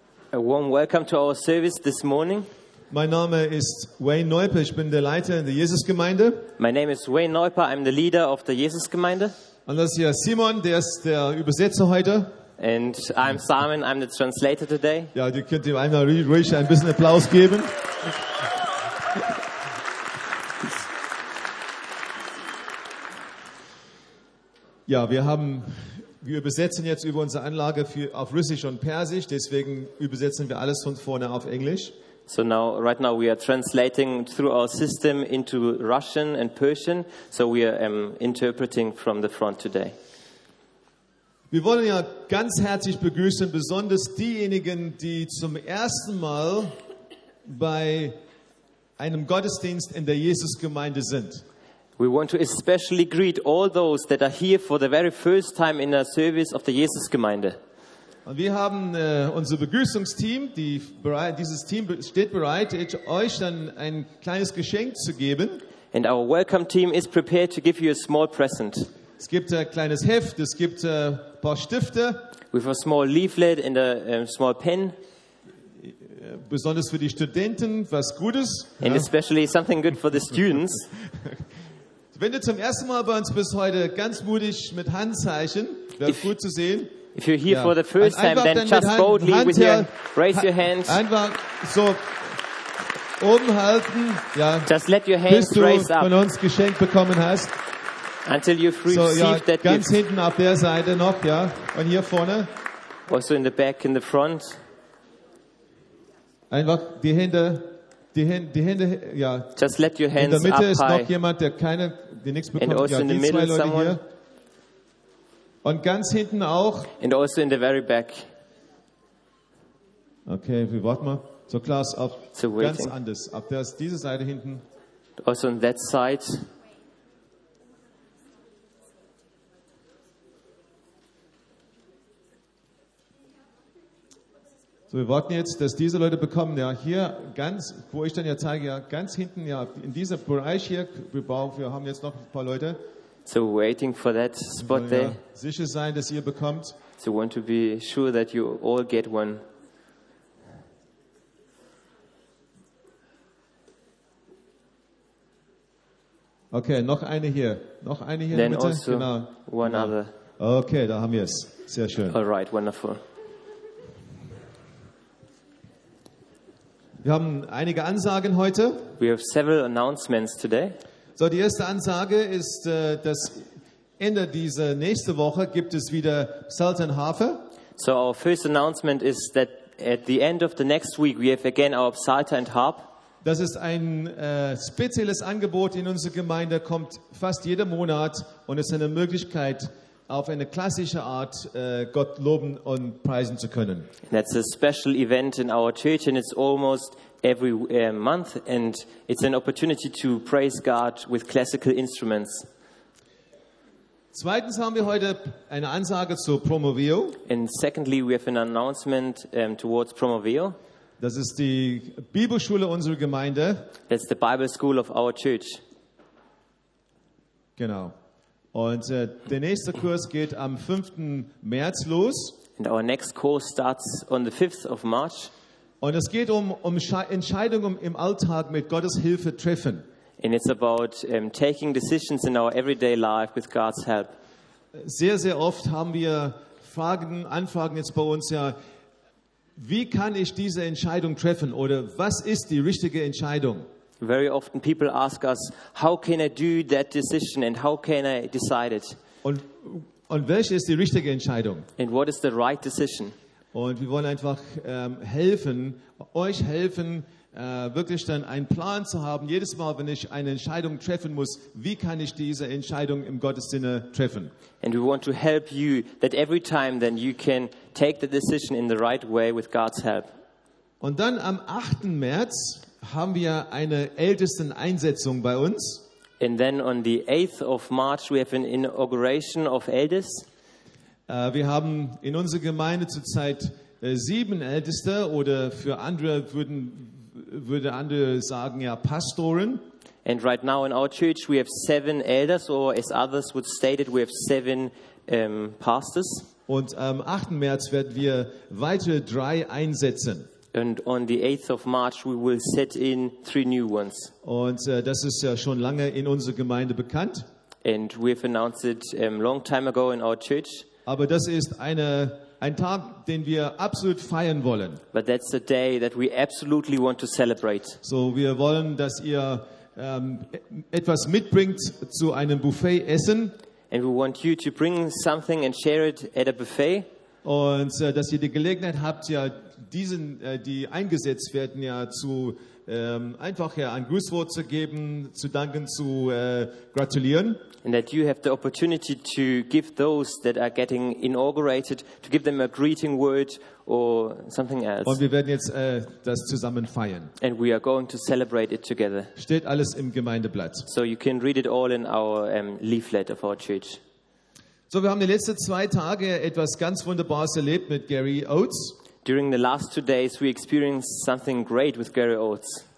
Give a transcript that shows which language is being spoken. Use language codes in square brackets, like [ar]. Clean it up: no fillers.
[en] A warm welcome to our service this morning. [de] Mein Name ist Wayne Neuper, ich bin der Leiter in der Jesusgemeinde. [en] My name is Wayne Neuper, I'm the leader of the Jesusgemeinde. [de] Und das ist hier Simon, der ist der Übersetzer heute. [en] And I'm Simon, I'm the translator today. [de] Ja, du könnt ihm einmal ruhig ein bisschen Applaus geben. Ja, wir übersetzen jetzt über unsere Anlage auf Russisch und Persisch, deswegen übersetzen wir alles von vorne auf Englisch. [en] So now, right now we are translating through our system into Russian and Persian, so we are interpreting from the front today. [de] Wir wollen ja ganz herzlich begrüßen, besonders diejenigen, die zum ersten Mal bei einem Gottesdienst in der Jesusgemeinde sind. [en] We want to especially greet all those that are here for the very first time in a service of the Jesusgemeinde. [de] Und wir haben unser Begrüßungsteam, dieses Team steht bereit, euch dann ein kleines Geschenk zu geben. [en] And our welcome team is prepared to give you a small present. [de] Es gibt ein kleines Heft, es gibt ein paar Stifte. [en] With a small leaflet and a small pen. [de] Besonders für die Studenten, was Gutes. [en] And especially something good for the students. [de] Wenn du zum ersten Mal bei uns bist heute, ganz mutig mit Handzeichen, wäre gut zu sehen. [en] If you're here for the first time, then just boldly with your raise your hand. [de] Einfach so oben halten, ja. [en] Just let your hands raise up. [de] Bis du von uns geschenkt bekommen hast. [en] Until you've received that gift. [de] So, ja, ganz hinten auf der Seite noch, ja. Und hier vorne. [en] Also in the back, in the front. [de] Einfach die Hände. Die Hände, ja. [en] Just let your hands [de] in der Mitte [en] up [de] ist [en] high. [de] Noch jemand, der keine, der nichts bekommt. [en] And also [de] ja, in die [en] the middle [de] zwei Leute [en] someone. [de] Hier. Und ganz hinten auch. [en] And also in the very back. [de] Okay, wir warten mal. So Klaus, auf so ganz anders. Auf der ist diese Seite hinten. [en] Also on that side. [de] So, wir warten jetzt, dass diese Leute bekommen, ja, hier ganz, wo ich dann ja zeige, ja, ganz hinten, ja, in diesem Bereich hier, wir haben jetzt noch ein paar Leute. [en] So, waiting for that spot there. Ja, [de] sicher sein, dass ihr bekommt. [en] So, want to be sure that you all get one. [de] Okay, noch eine hier, [en] then [de] bitte. Also genau. [en] One other. [de] Okay, da haben wir es. Sehr schön. [en] All right, wonderful. [de] Wir haben einige Ansagen heute. [en] We have several announcements today. [de] So, die erste Ansage ist, dass Ende dieser nächste Woche gibt es wieder Sultan Hafer. [en] So, our first announcement is that at the end of the next week we have again our Psalter and Harp. [de] Das ist ein spezielles Angebot in unserer Gemeinde, kommt fast jeden Monat und ist eine Möglichkeit, auf eine klassische Art Gott loben und preisen zu können. [en] That's a special event in our church and it's almost every month and it's an opportunity to praise God with classical instruments. [de] Zweitens haben wir heute eine Ansage zu Promovio. [en] And secondly we have an announcement towards Promovio. [de] Das ist die Bibelschule unserer Gemeinde. [en] That's the Bible school of our church. [de] Genau. Und der nächste Kurs geht am 5. März los. [en] And our next course starts on the 5th of March. [de] Und es geht um Entscheidungen im Alltag mit Gottes Hilfe treffen. [en] And it's about taking decisions in our everyday life with God's help. [de] Sehr, sehr oft haben wir Anfragen jetzt bei uns, ja, wie kann ich diese Entscheidung treffen oder was ist die richtige Entscheidung? [en] Very often people ask us, how can I do that decision and how can I decide it? [de] Und welche ist die richtige Entscheidung? [en] And what is the right decision? [de] Und wir wollen einfach helfen, euch helfen, wirklich dann einen Plan zu haben, jedes Mal, wenn ich eine Entscheidung treffen muss, wie kann ich diese Entscheidung im Gottes Sinne treffen? [en] And we want to help you, that every time then you can take the decision in the right way with God's help. [de] Und dann am 8. März haben wir eine Ältesteneinsetzung bei uns. [en] And then on the 8th of March we have an inauguration of elders. [de] Wir haben in unserer Gemeinde zurzeit 7 Älteste oder für andere würde andere sagen ja Pastoren. [en] And right now in our church we have 7 elders or as others would state it we have 7 pastors. [de] Und am 8. März werden wir weitere 3 einsetzen. [en] And on the 8th of March we will set in 3 new ones. [de] Und das ist ja schon lange in unserer Gemeinde bekannt. [en] And we've announced it long time ago in our church. [de] Aber das ist ein Tag, den wir absolut feiern wollen. [en] But that's a day that we absolutely want to celebrate. [de] So wir wollen, dass ihr etwas mitbringt zu einem Buffet-Essen. [en] And we want you to bring something and share it at a buffet. [de] Und dass ihr die Gelegenheit habt, ja diesen, die eingesetzt werden, ja zu einfach ja ein Grußwort zu geben, zu danken, zu gratulieren. [en] And that you have the opportunity to give those that are getting inaugurated, to give them a greeting word or something else. [de] Und wir werden jetzt das zusammen feiern. [en] And we are going to celebrate it together. [de] Steht alles im Gemeindeblatt. [en] So you can read it all in our leaflet of our church. [de] So, wir haben die letzten 2 Tage etwas ganz Wunderbares erlebt mit Gary Oates. [en] During the last 2 days we experienced something great with Gary Oates.